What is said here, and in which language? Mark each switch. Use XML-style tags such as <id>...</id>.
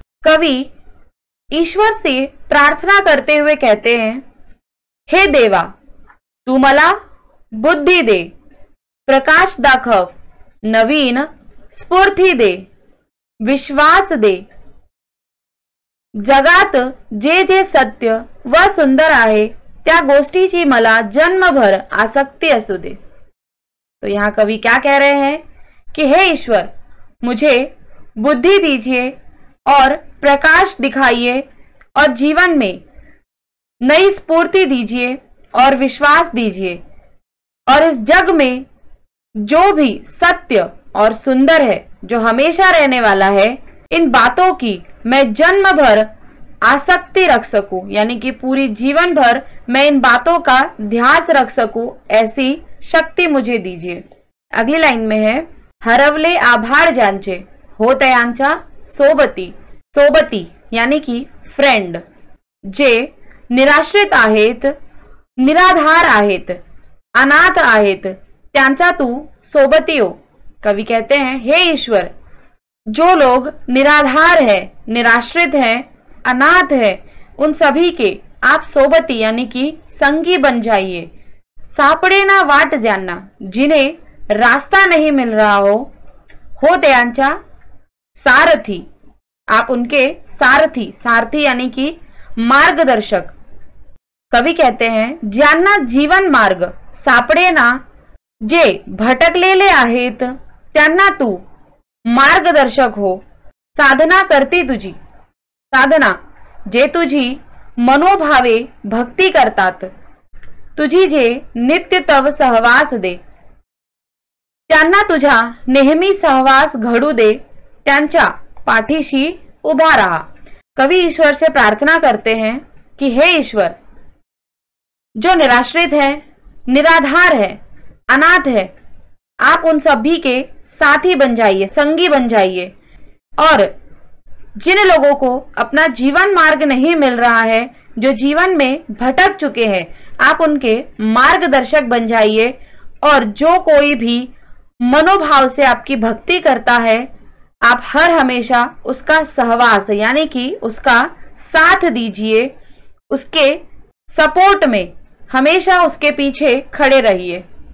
<hi>कवि ईश्वर से प्रार्थना करते हुए कहते हैं,</hi> <mr>हे देवा तू मला बुद्धि दे, प्रकाश दाखव, नवीन स्फूर्ति दे, विश्वास दे। जगात जे जे सत्य व सुंदर आहे त्या गोष्टीची मला जन्मभर आसक्ति असू दे।</mr> <hi>तो यहाँ कवि क्या कह रहे हैं कि हे ईश्वर मुझे बुद्धि दीजिए और प्रकाश दिखाइए और जीवन में नई स्फूर्ति दीजिए और विश्वास दीजिए, और इस जग में जो भी सत्य और सुंदर है जो हमेशा रहने वाला है इन बातों की मैं जन्म भर आसक्ति रख सकूं, यानी कि पूरी जीवन भर मैं इन बातों का ध्यास रख सकूं, ऐसी शक्ति मुझे दीजिए। अगली लाइन में है,</hi> <mr>हरवले आभार जांचे हो तयांचा सोबती।</mr> <hi>सोबती यानी कि फ्रेंड।</hi> <mr>जे निराश्रित आहेत, निराधार आहेत, अनाथ आहेत, त्यांचा तू सोबती हो।</mr> <hi>कवि कहते हैं, हे ईश्वर जो लोग निराधार है, निराश्रित है, अनाथ है, उन सभी के आप सोबती यानी कि संगी बन जाइए।</hi> <mr>सापड़े ना वाट जानना,</mr> <hi>जिन्हें रास्ता नहीं मिल रहा हो</hi> <mr>त्यांचा सारथी,</mr> <hi>आप उनके सारथी, सारथी यानी कि मार्गदर्शक। कवि कहते हैं,</hi> <mr>जानना जीवन मार्ग, सापड़े ना जे भटकलेले आहेत त्यांना तू मार्गदर्शक हो। साधना करती तुझी, साधना जे तुझी मनोभावे भक्ति करतात, तुझी जे नित्य तव सहवास दे, त्यांना तुझा नेहमी सहवास घडू दे, त्यांच्या पाठीशी उभा रहा।</mr> <hi>कवि ईश्वर से प्रार्थना करते हैं कि हे ईश्वर जो निराश्रित है, निराधार है, अनाथ है, आप उन सभी के साथी बन जाइए, संगी बन जाइए, और जिन लोगों को अपना जीवन मार्ग नहीं मिल रहा है, जो जीवन में भटक चुके हैं, आप उनके मार्गदर्शक बन जाइए, और जो कोई भी मनोभाव से आपकी भक्ति करता है आप हर हमेशा उसका सहवास यानी कि उसका साथ दीजिए, उसके सपोर्ट में हमेशा उसके पीछे खड़े रहिए।</hi>